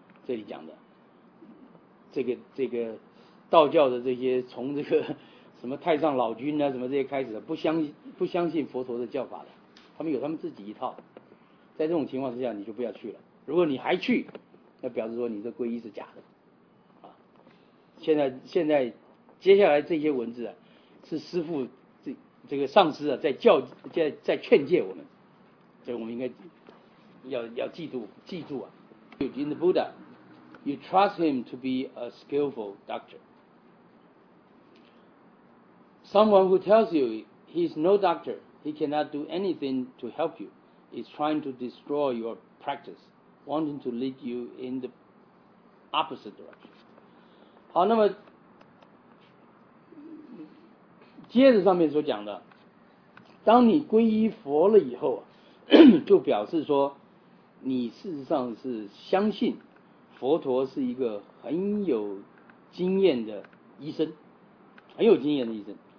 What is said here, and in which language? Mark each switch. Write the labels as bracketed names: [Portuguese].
[Chinese] 这里讲的这个道教的这些从这个什么太上老君啊什么这些开始的，不相信佛陀的教法的，他们有他们自己一套，在这种情况之下你就不要去了，如果你还去那表示说你这皈依是假的啊。现在接下来这些文字啊，是师父这个上师啊在劝诫我们，所以我们应该要记住啊。 [English] In the Buddha, you trust him to be a skillful doctor. Someone who tells you he is no doctor, he cannot do anything to help you, is trying to destroy your practice, wanting to lead you in the opposite direction. [Chinese] 好，那么接着上面所讲的，当你皈依佛了以后，就表示说你事实上是相信佛陀是一个很有经验的医生，很有经验的医生。